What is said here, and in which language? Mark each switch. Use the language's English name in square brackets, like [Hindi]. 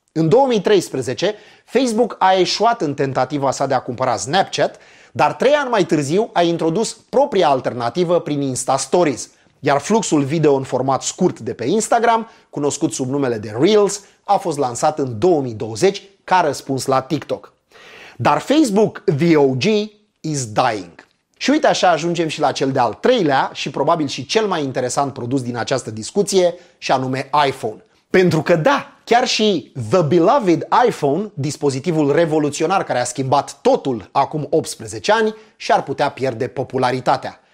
[Romanian] În 2013, Facebook a eșuat în tentativa sa de a cumpăra Snapchat, dar 3 ani mai târziu a introdus propria alternativă prin Insta Stories, iar fluxul video în format scurt de pe Instagram, cunoscut sub numele de Reels, a fost lansat în 2020 ca răspuns la TikTok. Dar [English] Facebook VOG is dying. [Romanian] Și uite așa ajungem și la cel de-al treilea și probabil și cel mai interesant produs din această discuție, și anume iPhone. Pentru că da, chiar și [English] The Beloved [Romanian] iPhone, dispozitivul revoluționar care a schimbat totul acum 18 ani, și-ar putea pierde popularitatea.